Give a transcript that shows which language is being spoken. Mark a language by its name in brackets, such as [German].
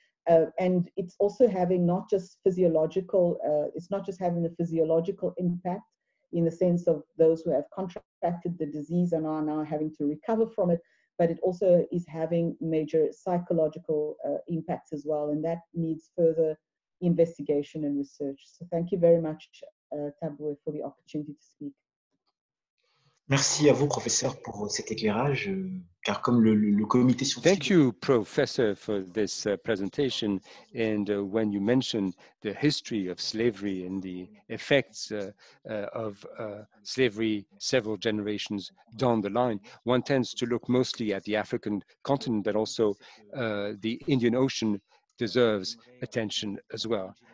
[English] And it's also having not just having a physiological impact in the sense of those who have contracted the disease and are now having to recover from it, but it also is having major psychological impacts as well. And that needs further investigation and research. So thank you very much, Tabwe, for the opportunity to speak. [French] Merci à vous, professeur, pour cet éclairage, car comme le comité scientifique... [English] Thank you, professor, for this presentation. And when you mentioned the history of slavery and the effects of slavery several generations down the line, one tends to look mostly at the African continent, but also the Indian Ocean deserves attention as well.